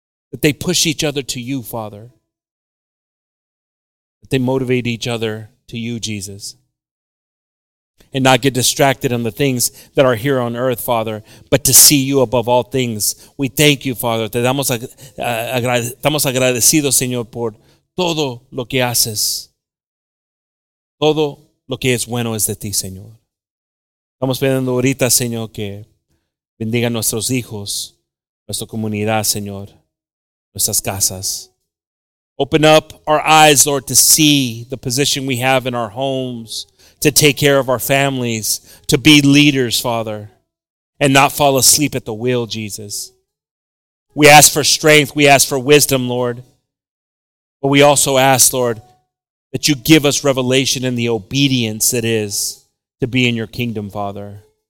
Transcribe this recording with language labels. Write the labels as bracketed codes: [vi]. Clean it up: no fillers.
[en] That they push each other to you, Father. That they motivate each other to you, Jesus. And not get distracted on the things that are here on earth, Father, but to see you above all things. We thank you, Father. [es] Te damos estamos agradecidos, Señor, por todo lo que haces. Todo lo que es bueno es de ti, Señor. Estamos pidiendo ahorita, Señor, que bendiga a nuestros hijos, nuestra comunidad, Señor, nuestras casas. [en] Open up our eyes, Lord, to see the position we have in our homes, to take care of our families, to be leaders, Father, and not fall asleep at the wheel, Jesus. We ask for strength, we ask for wisdom, Lord, but we also ask, Lord, that you give us revelation in the obedience it is to be in your kingdom, Father.